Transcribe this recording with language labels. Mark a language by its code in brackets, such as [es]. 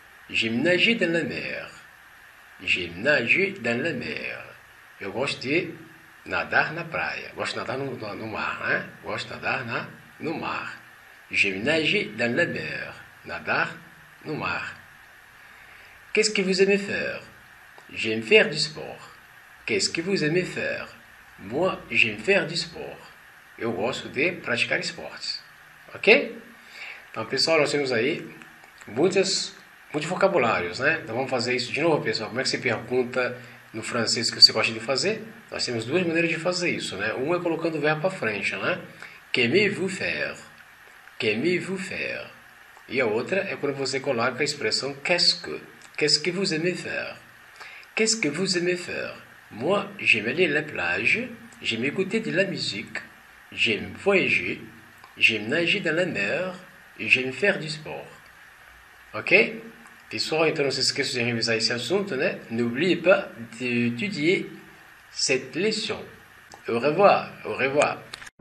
[fr] J'aime nager dans la mer. J'aime nager dans la mer. [pt] Eu gosto de nadar na praia. Gosto de nadar no mar, né? Gosto de nadar no mar. [fr] J'aime nager dans la mer. [pt] Nadar no mar. [fr] Qu'est-ce que vous aimez faire? J'aime faire du sport. Qu'est-ce que vous aimez faire? Moi, j'aime faire du sport. [pt] Eu gosto de praticar esportes. Ok? Então, pessoal, nós temos aí muitos vocabulários, né? Então, vamos fazer isso de novo, pessoal. Como é que você pergunta no francês o que você gosta de fazer? Nós temos duas maneiras de fazer isso, né? Uma é colocando o verbo à frente, né? [fr] Qu'aimez-vous faire? Qu'aimez-vous faire? [pt] E a outra é quando você coloca a expressão [fr] qu'est-ce que? Qu'est-ce que vous aimez faire? Qu'est-ce que vous aimez faire? Moi, j'aime aller à la plage, j'aime écouter de la musique, j'aime voyager, j'aime nager dans la mer et j'aime faire du sport. [pt] Ok? Pessoal, então não se esqueça de revisar esse assunto, né? [fr] N'oubliez pas d'étudier cette leçon. Au revoir, au revoir.